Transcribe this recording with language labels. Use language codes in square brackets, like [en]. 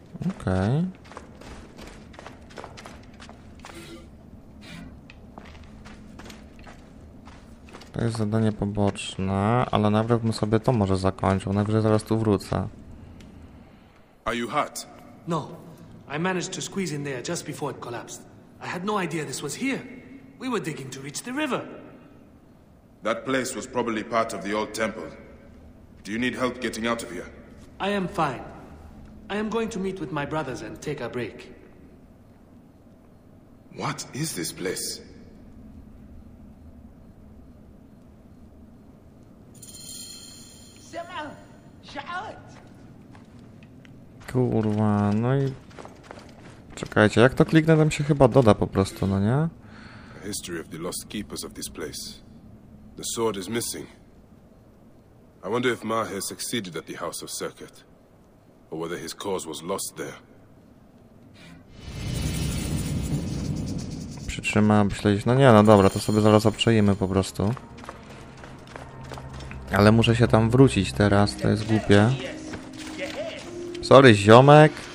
[pl] Okej. To jest zadanie poboczne, ale najpierw bym sobie to może zakończył. Najwyżej zaraz tu wrócę. [en] Are you hurt? No. I managed to squeeze in there just before it collapsed. I had no idea this was here. We were digging to reach the river. That place was probably part of the old temple. Do you need help getting out of here? I am fine. I am going to meet with my brothers and take a break. What is this place? [pl] Kurwa, no i... Czekajcie, jak to kliknę, tam się chyba doda po prostu, no nie? [en] History of the lost keepers of this place. The sword is missing. I wonder if Maher succeeded at the House of Circuit, or whether his cause was lost there. [pl] Przytrzymałem śledzić. No nie, no dobra, to sobie zaraz obczajemy po prostu. Ale muszę się tam wrócić teraz, to jest głupie. Sorry, ziomek.